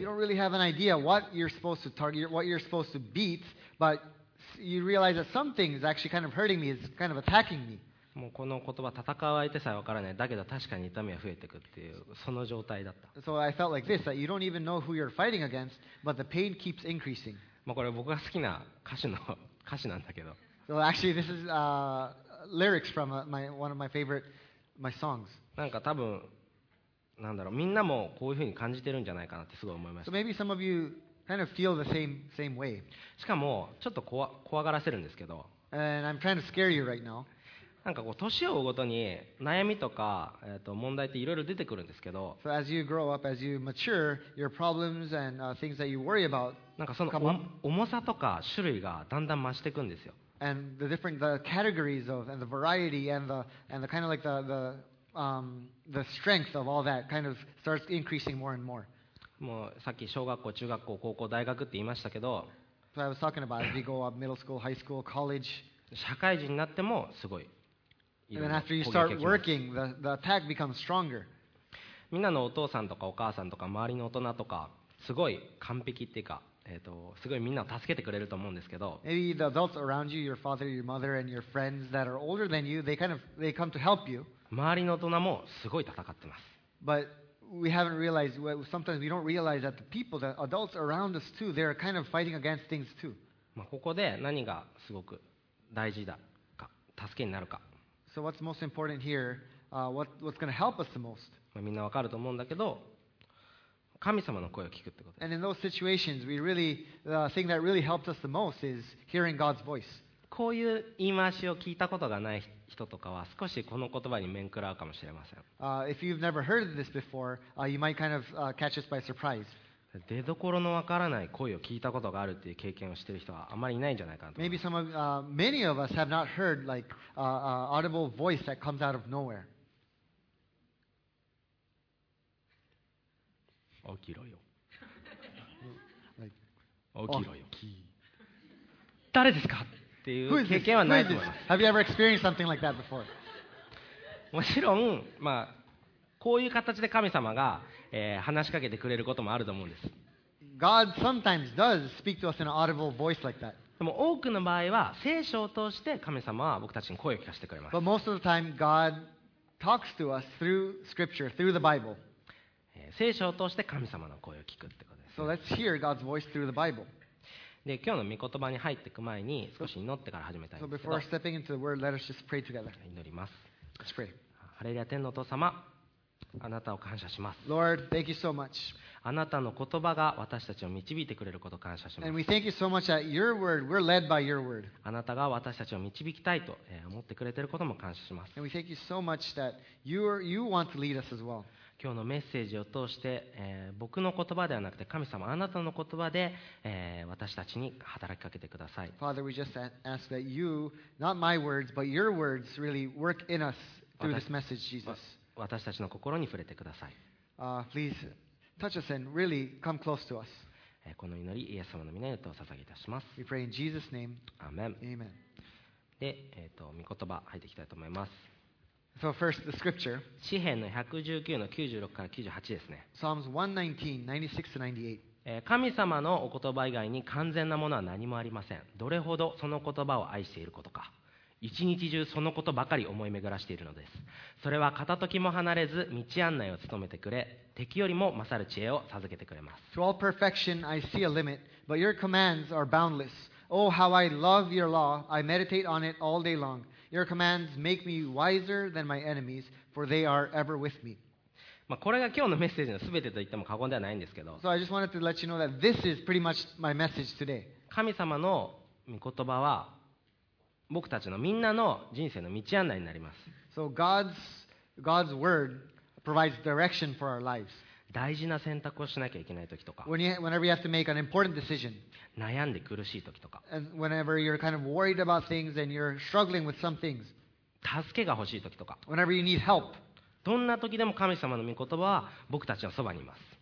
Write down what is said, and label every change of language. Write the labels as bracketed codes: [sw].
[en] you don't really have an idea what you're supposed to target, what you're supposed to beat, but you realize that something is actually kind of hurting me, is kind of attacking me. [ja] もうこの言葉、戦う相手さえわからない。だけど確かに痛みは増えていくっていうその状態だった。 [en] So I felt like this, that you don't even know who you're fighting against, but the pain keeps increasing. [ja] まあ、これ僕が好きな歌詞なんだけど。 [en] So actually, this is lyrics from one of my favorite songs. [ja] なんか多分なんだろう、みんなもこういうふうに感じてるんじゃないかなってすごい思いました。 [en] So maybe some of you kind of feel the same way. [ja] しかもちょっと怖がらせるんですけど。 [en] And I'm trying to scare you right now. [ja] なんかこう年を追うごとに悩みとか問題っていろいろ出てくるんですけど。 [en] So as you grow up, as you mature, your problems and things that you worry about come up. [ja] なんかその重さとか種類がだんだん増していくんですよ。 [en] And the different the categories of and the variety and the and the kind of like theThe strength of all that kind of starts increasing more and more. [ja] もうさっき小学校、中学校、高校、大学って言いましたけど、 [en] So I was talking about as we go up middle school, high school, college. [ja] 社会人になってもすごい。 [en] And then after you start working, the attack becomes stronger. [ja] みんなのお父さんとかお母さんとか周りの大人とかすごい完璧っていうか、すごいみんなを助けてくれると思うんですけど。 [en] Maybe the adults around you, your father, your mother, and your friends that are older than you, they come to help you. [ja] 周りの大人もすごい戦ってます。 [en] But we haven't realized, sometimes we don't realize that the people, the adults around us too, they're kind of fighting against things too. [ja] まあここで何がすごく大事だか、助けになるか。 [en] So what's most important here? What's going to help us the most? [ja] まあみんなわかると思うんだけど、神様の声を聞くってこと。 [en] And in those situations, we really, the thing that really helped us the most is hearing God's voice. [ja] こういう言い回しを聞いたことがない人とかは少しこの言葉に面食らうかもしれません。 [en] If you've never heard this before, you might kind of catch us by surprise. [ja] 出どころのわからない声を聞いたことがあるっていう経験をしている人はあまりいないんじゃないかなと思います。 [en] Maybe many of us have not heard like audible voice that comes out of nowhere. [ja] 起きろよ。起きろよ。誰ですか？っていう経験はないと思います。 [en] Have you ever experienced something like that before? [ja] もちろん、まあ、こういう形で神様が、話しかけてくれることもあると思うんです。 [en] God sometimes does speak to us in an audible voice like that. [ja] でも多くの場合は聖書を通して神様は僕たちに声を聞かせてくれます。 [en] But most of the time, God talks to us through Scripture, through the Bible. [ja] 聖書を通して神様の声を聞くってことです。 [en] So let's hear God's voice through the Bible. [ja] で今日の御言葉に入っていく前に少し祈ってから始めたいんですけど、 [en] so word, [ja] 祈ります。ハレルヤ天のお父様、あなたを感謝します。 [en] Lord, thank you so much. [ja] あなたの言葉が私たちを導いてくれることを感謝します。 [en] And we thank you so much that your word, we're led by your word. [ja] あなたが私たちを導きたいと思ってくれていることも感謝します。 [en] And we thank you so much that you want to lead us as well. [ja] 今日のメッセージを通して、僕の言葉ではなくて神様あなたの言葉で、私たちに働きかけてください。 [en] Father, we just ask that you, not my words, but your words really work in us through this message, Jesus. [ja] 私たちの心に触れてください。 [en] Please touch us and really come close to us. [ja] この祈りイエス様の御名によってお捧げいたします。 [en] We pray in Jesus' name. Amen. Amen. [ja] で、御言葉入っていきたいと思います。 [en] So first, the scripture. [ja] 詩編の119の96から98ですね。 [en] Psalms 119:96-98. [ja] 神様のお言葉以外に完全なものは何もありません。どれほどその言葉を愛していることか。一日中そのことばかり思い巡らしているのです。それは片時も離れず道案内を務めてくれ、敵よりも勝る知恵を授けてくれます。 [en] To all perfection I see a limit, but your commands are boundless. Oh, how I love your law! I meditate on it all day long. Your commands make me wiser than my enemies, for they are ever with me. [ja] まあこれが今日のメッセージのすべてと言っても過言ではないんですけど。 [en] So I just wanted to let you know that this is pretty much my message today. [ja] 神様の御言葉は僕たちのみんなの人生の道案内になります。 [en] So God's word provides direction for our lives. [ja] 大事な選択をしなきゃいけない時とか。 [en] Whenever you have to make an important decision. [ja] 悩んで苦しい時とか、 [en] and whenever you're kind of worried about things and you're struggling with some things, [ja] 助けが欲しい時とか、 [en] whenever you need help, [ja] どんな時でも神様の御言葉は僕たちのそばにいます。